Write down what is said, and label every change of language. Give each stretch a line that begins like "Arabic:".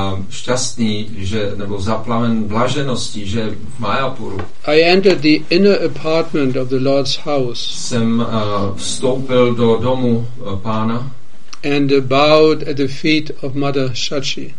Czech: Šťastný, že nebo zaplaven blaženosti, že v Mayapuru.
English: I entered the inner apartment of the Lord's house.
Czech: Jsem vstoupil do domu pána.
English: And bowed at the feet of Mother Shachi.